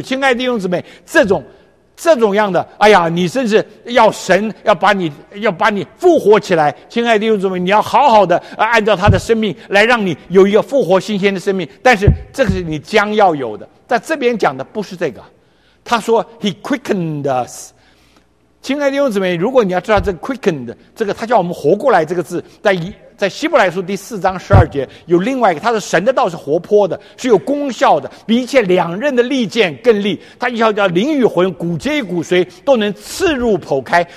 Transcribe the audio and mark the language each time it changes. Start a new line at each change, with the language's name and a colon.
Chinese: 亲爱的弟兄姊妹，这种样的，哎呀，你甚至要神要把你复活起来。亲爱的弟兄姊妹，你要好好的按照他的生命来让你有一个复活新鲜的生命，但是这个是你将要有的，在这边讲的不是这个。
English: 他说 He quickened us。
Chinese: 亲爱的弟兄姊妹，如果你要知道这个 quickened， 这个他叫我们活过来，这个字在希伯来书4:12有另外一个，他的神的道是活泼的，是有功效的，比一切两刃的利剑更利，他一条叫灵与魂骨皆骨髓都能刺入剖开。